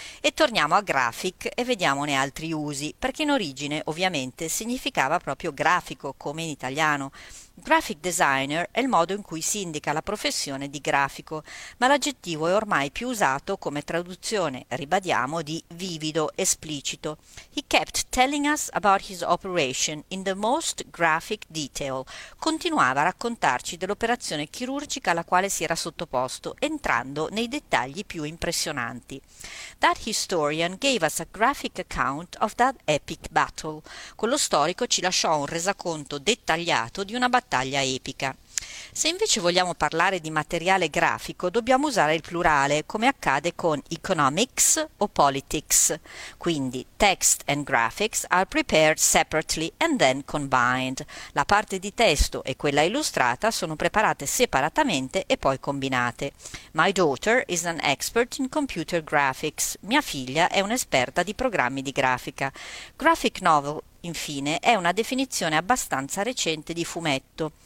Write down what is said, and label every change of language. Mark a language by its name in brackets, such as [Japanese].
[Italian] E torniamo a graphic e vediamone altri usi, perché in origine, ovviamente, significa proprio grafico, come in italiano. Graphic designer è il modo in cui si indica la professione di grafico, ma l'aggettivo è ormai più usato come traduzione, ribadiamo, di vivido, esplicito. [English] He kept telling us about his operation in the most graphic detail. [Italian] Continuava a raccontarci dell'operazione chirurgica alla quale si era sottoposto, entrando nei dettagli più impressionanti. [English] That historian gave us a graphic account of that epic battle. [Italian] Quello storico ci lasciò un resoconto dettagliato di una battaglia epica. Se invece vogliamo parlare di materiale grafico, dobbiamo usare il plurale, come accade con economics o politics. Quindi [English] text and graphics are prepared separately and then combined. [Italian] La parte di testo e quella illustrata sono preparate separatamente e poi combinate. [English] My daughter is an expert in computer graphics. [Italian] Mia figlia è un'esperta di programmi di grafica. Graphic novel, infine, è una definizione abbastanza recente di fumetto.